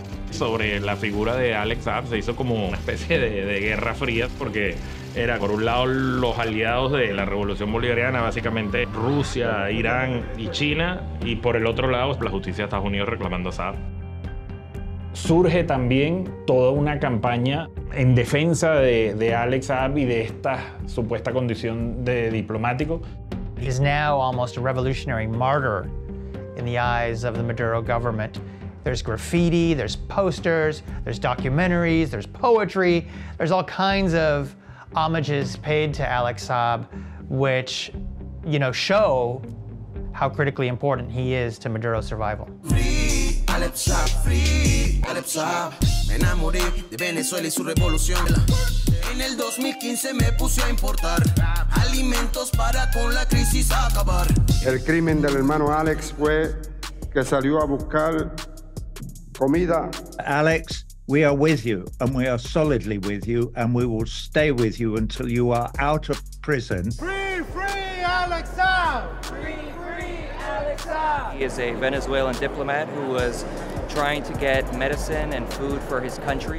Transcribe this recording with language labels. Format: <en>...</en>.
<es>Sobre la figura de Alex Saab se hizo como una especie de guerra fría, porque era por un lado los aliados de la revolución bolivariana, básicamente Rusia, Irán y China, y por el otro lado la justicia de Estados Unidos reclamando a Saab. Surge también toda una campaña en defensa de Alex Saab y de esta supuesta condición de diplomático.</es> <en>Is now almost a revolutionary martyr in the eyes of the Maduro government. There's graffiti, there's posters, there's documentaries, there's poetry, there's all kinds of homages paid to Alex Saab, which, you know, show how critically important he is to Maduro's survival. Free Alex Saab, free Alex Saab.</en> <es>Me enamoré de Venezuela y su revolución. En el 2015 me puse a importar alimentos para con la crisis acabar. El crimen del hermano Alex fue que salió a buscar comida.</es> <en>Alex, we are with you, and we are solidly with you, and we will stay with you until you are out of prison. Free, free, Alex Saab! Free, free, Alex Saab! He is a Venezuelan diplomat who was trying to get medicine and food for his country.</en>